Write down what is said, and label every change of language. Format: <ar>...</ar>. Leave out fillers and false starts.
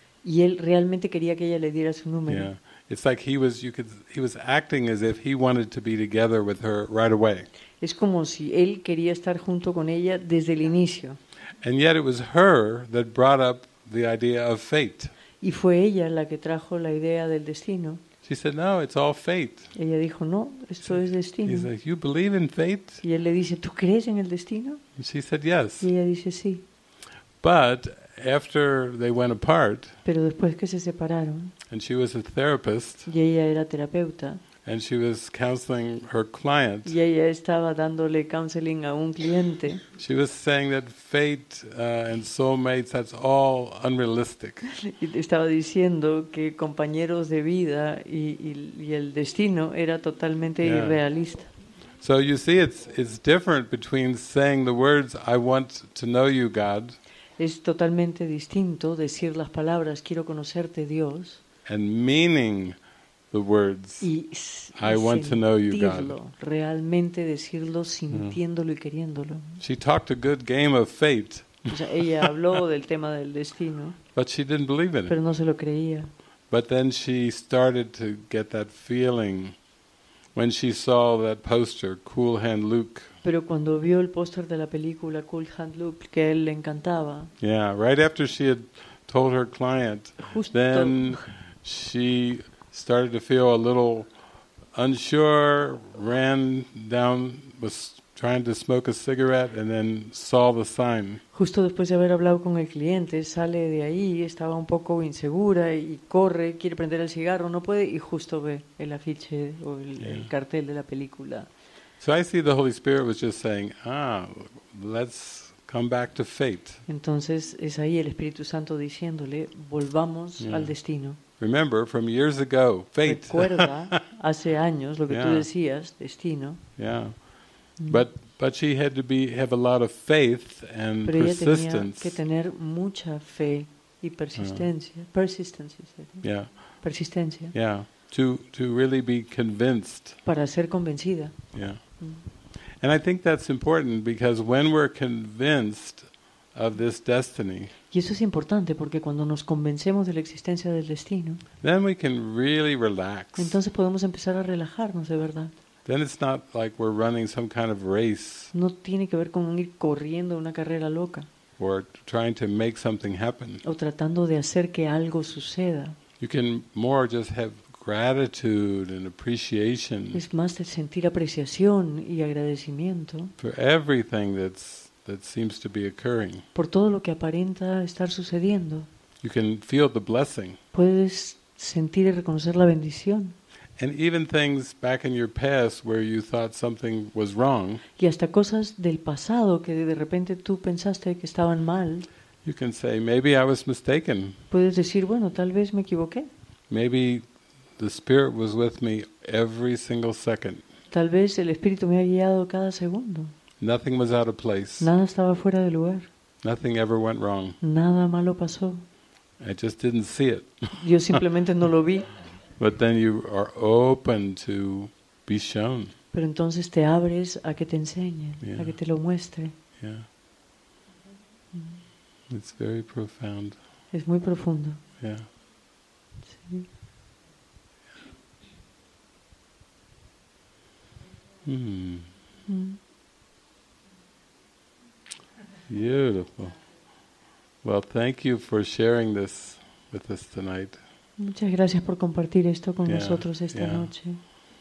<es>Y él realmente quería que ella le diera su número.</es> <en>Yeah. It's like he was acting as if he wanted to be together with her right away.</en> <es>Es como si él quería estar junto con ella desde el inicio.</es> <en>And yet it was her that brought up the idea of fate.</en> <es>Y fue ella la que trajo la idea del destino.</es> <en>She said, no, it's all fate.</en> <es>Ella dijo, no, esto es destino.</es> <en>He's like, you believe in fate?</en> <es>Y él le dice, ¿tú crees en el destino?</es> <en>And she said, yes.</en> <es>Y ella dice, sí.</es> <en>But after they went apart,</en> <es>pero después que se separaron,</es> <en>and she was a therapist,</en> <es>y ella era terapeuta,</es> <en>and she was counseling her client.</en> <es>Y ella estaba dándole counseling a un cliente.</es> <en>She was saying that fate and soulmates, that's all unrealistic.</en> <es>Y estaba diciendo que compañeros de vida y el destino era totalmente irrealista.</es> <en>So you see, it's different between saying the words, I want to know you, God.</en> <es>Es totalmente distinto decir las palabras, quiero conocerte, Dios.</es> <en>And meaning the words, I want to know you, God.</en> <es>Realmente decirlo, sintiéndolo y queriéndolo.</es> <en>She talked a good game of fate.</en> <es>O sea, ella habló del tema del destino.</es> <en>But she didn't believe in it.</en> <es>Pero no se lo creía.</es> <en>But then she started to get that feeling When she saw that poster, Cool Hand Luke.</en> <es>Pero cuando vio el póster de la película Cool Hand Luke, que él le encantaba.</es> <en>Yeah, right after she had told her client,</en> <es>justo.</es> <en>Then she started to feel a little unsure, ran down, was trying to smoke a cigarette, and then saw the sign.</en> <es>Justo después de haber hablado con el cliente, sale de ahí, estaba un poco insegura y corre, quiere prender el cigarro, no puede, y justo ve el afiche o el, yeah. el cartel de la película.</es> <en>So I see the Holy Spirit was just saying, ah, let's come back to fate.</en> <es>Entonces es ahí el Espíritu Santo diciéndole, volvamos yeah. al destino.</es> <en>Remember, from years ago, fate.</en> <es>Recuerda, hace años, lo que yeah. tú decías, destino.</es> <en>Yeah. But she had to have a lot of faith and</en> <es>Pero ella</es> <en>persistence.</en> <es>Tenía que tener mucha fe y persistencia. Uh-huh.</es> <en>Persistence, is it? Yeah.</en> <es>Persistencia.</es> <en>Yeah. To really be convinced.</en> <es>Para ser convencida.</es> <en>Yeah. And I think that's important because when we're convinced of this destiny.</en> <es>Y eso es importante porque cuando nos convencemos de la existencia del destino.</es> <en>Then we can really relax.</en> <es>Entonces podemos empezar a relajarnos de verdad.</es> <en>Then it's not like we're running some kind of race.</en> <es>No tiene que ver con ir corriendo una carrera loca.</es> <en>Or trying to make something happen.</en> <es>O tratando de hacer que algo suceda.</es> <en>You can more just have gratitude and appreciation.</en> <es>Es más de sentir apreciación y agradecimiento.</es> <en>For everything that seems to be occurring.</en> <es>Por todo lo que aparenta estar sucediendo.</es> <en>You can feel the blessing.</en> <es>Puedes sentir y reconocer la bendición.</es> <en>And even things back in your past where you thought something was wrong.</en> <es>Y hasta cosas del pasado que de repente tú pensaste que estaban mal.</es> <en>You can say maybe I was mistaken.</en> <es>Puedes decir, bueno, tal vez me equivoqué.</es> <en>Maybe the Spirit was with me every single second.</en> <es>Tal vez el Espíritu me ha guiado cada segundo.</es> <en>Nothing was out of place.</en> <es>Nada estaba fuera de lugar.</es> <en>Nothing ever went wrong.</en> <es>Nada malo pasó.</es> <en>I just didn't see it.</en> <es>Yo simplemente no lo vi.</es> <en>But then you are open to be shown.</en> <es>Pero entonces te abres a que te enseñe, yeah. a que te lo muestre.</es> <en>Yeah. It's very profound.</en> <es>Es muy profundo.</es> <en>Yeah.</en> <es>Sí.</es> <en>Beautiful. Well, thank you for sharing this with us tonight.</en> <es>Muchas gracias por compartir esto con nosotros esta noche.</es>